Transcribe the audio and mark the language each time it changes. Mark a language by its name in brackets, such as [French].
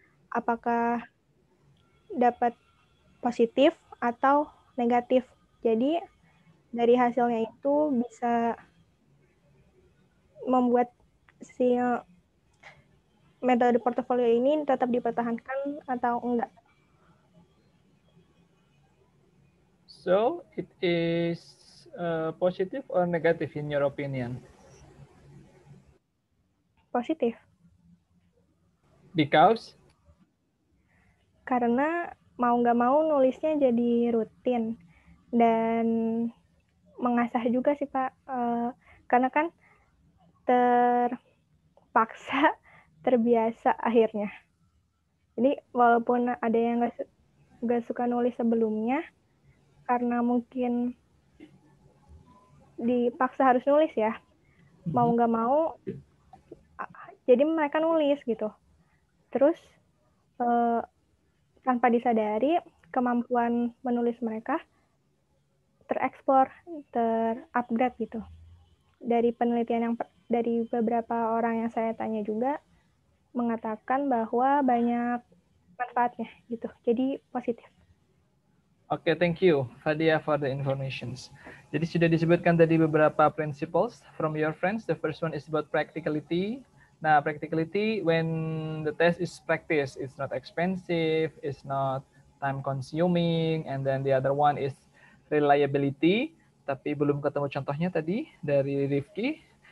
[Indonesian] Apakah dapat positif atau negatif? Jadi dari hasilnya itu bisa membuat si metode portofolio ini tetap dipertahankan atau enggak. [English] So, it is positive or negative in your opinion? Positive. Because? [Indonesian] Karena mau enggak mau nulisnya jadi rutin. Dan mengasah juga sih, Pak. Karena kan terpaksa, terbiasa akhirnya. Jadi, walaupun ada yang enggak suka nulis sebelumnya, karena mungkin dipaksa harus nulis ya, mau enggak mau, jadi mereka nulis gitu. Terus, tanpa disadari, kemampuan menulis mereka tereksplor, terupgrade gitu. Dari penelitian yang dari beberapa orang yang saya tanya juga mengatakan bahwa banyak manfaatnya gitu. Jadi positif. [English] Oke, okay, thank you Fadia for the informations. [Indonesian] Jadi sudah disebutkan tadi beberapa [English] principles from your friends. The first one is about practicality. Nah, practicality when the test is practice, it's not expensive, it's not time consuming, and then the other one is reliability, [Indonesian] tapi belum ketemu contohnya tadi dari Rifki.